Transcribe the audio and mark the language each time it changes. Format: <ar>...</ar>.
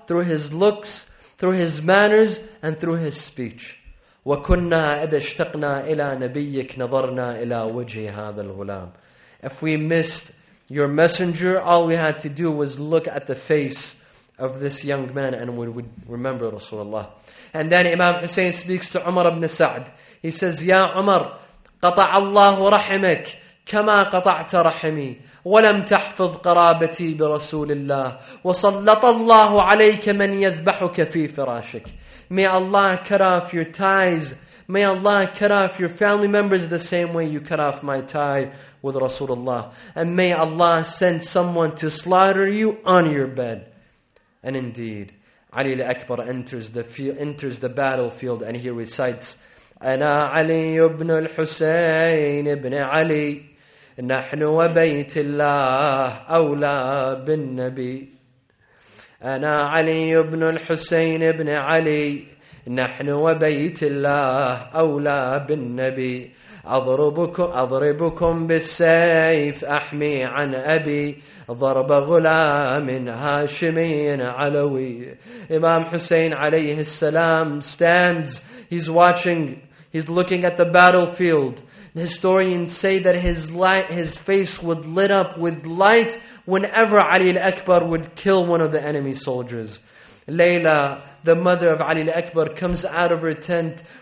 <en>Through his looks, through his manners, and through his speech.</en> <ar>وَكُنَّا إِذَا اشْتَقْنَا إِلَىٰ نَبِيِّكْ نَظَرْنَا إِلَىٰ وَجْهِ هَذَا الْغُلَامِ.</ar> <en>If we missed your messenger, all we had to do was look at the face of this young man and we would remember Rasulullah. And then Imam Hussein speaks to Umar ibn Sa'd. He says,</en> <ar>Ya Umar, قَطَعَ اللَّهُ رَحِمَكَ كَمَا قَطَعْتَ رَحِمِي وَلَمْ تَحْفِظْ قَرَابَتِي بِرَسُولِ اللَّهِ وَصَلَّطَ اللَّهُ عَلَيْكَ مَنْ يَذْبَحُكَ فِي فِرَاشِكَ.</ar> <en>May Allah cut off your ties. May Allah cut off your family members the same way you cut off my tie with Rasulullah. And may Allah send someone to slaughter you on your bed. And indeed, Ali al-Akbar enters the battlefield and he recites,</en> <ar>أنا علي بن الحسين بن علي نحن وبيت الله أولى بالنبي أنا علي بن الحسين بن علي نحن وبيت الله أولى بالنبي أضربكم بالسيف أحمي عن أبي ضرب غلام هاشمي علوي.</ar> <en>إمام حسين عليه السلام stands, he's watching, he's looking at the battlefield. Historians say that his face would lit up with light whenever Ali al-Akbar would kill one of the enemy soldiers. Layla, the mother of Ali al-Akbar, comes out of her tent.</en>